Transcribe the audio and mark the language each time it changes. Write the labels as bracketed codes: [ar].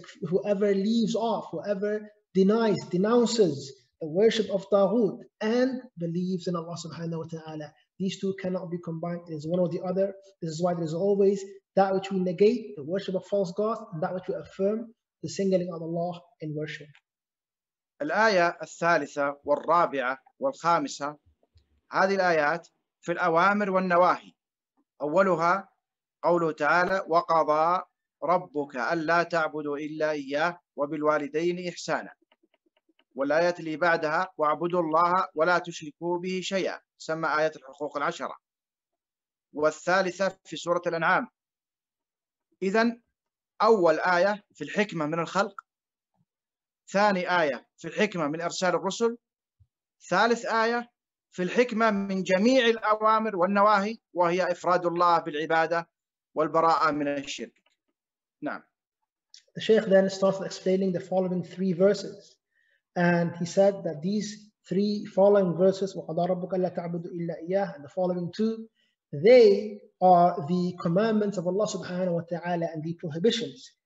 [en] Whoever leaves off, whoever denounces the worship of Taghut and believes in Allah subhanahu wa ta'ala, these two cannot be combined. It is one or the other. This is why there is always that which we negate, the worship of false gods, and that which we affirm, the singling of Allah in worship. [ar] الآية الثالثة والرابعة والخامسة، هذه الآيات في الأوامر والنواهي. أولها قوله تعالى وقضى ربك ألا تعبدوا إلا إياه وبالوالدين إحسانا، والآية اللي بعدها واعبدوا الله ولا تشركوا به شيئا، تسمى آية الحقوق العشرة، والثالثة في سورة الأنعام. إذن أول آية في الحكمة من الخلق، ثاني آية في الحكمة من إرسال الرسل، ثالث آية في الحكمة من جميع الأوامر والنواهي، وهي إفراد الله بالعبادة والبراءة من الشرك. نعم. [en] The Shaykh then starts explaining the following three verses. And he said that these three following verses, [ar] وَقَدَى رَبُّكَ لَا تَعْبُدُ إِلَّا إِيَّهِ [en] and the following two, they are the commandments of Allah subhanahu wa ta'ala and the prohibitions.